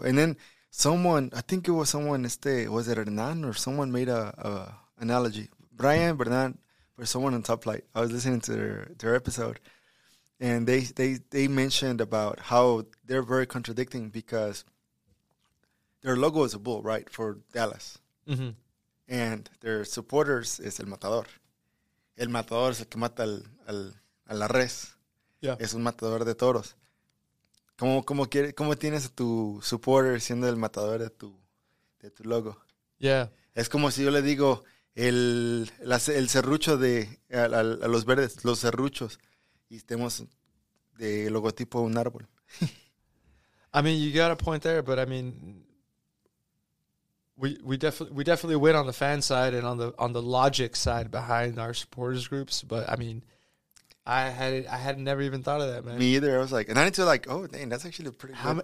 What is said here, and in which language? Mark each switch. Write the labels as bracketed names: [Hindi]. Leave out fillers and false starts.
[English] And then someone, I think it was someone, was it Hernan or someone made a analogy? Brian, Bernan, or someone on Top Flight. I was listening to their episode, and they mentioned about how they're very contradicting because their logo is a bull, right, for Dallas. Mm-hmm. And their supporters is El Matador. [Spanish] El Matador es el que mata al la res. [English] Yeah. [Spanish] Es un matador de toros. ¿Cómo tienes a tu supporter siendo el matador de tu logo? [English] Yeah. [Spanish] Es como si yo le digo el serrucho a los verdes, los serruchos, y estemos de logotipo un árbol. [English] I mean, you got a point there, but I mean, We definitely win on the fan side and on the logic side behind our supporters groups. But I mean, I had never even thought of that, man. Me either. I was like, and I need to like, oh, dang, that's actually pretty good.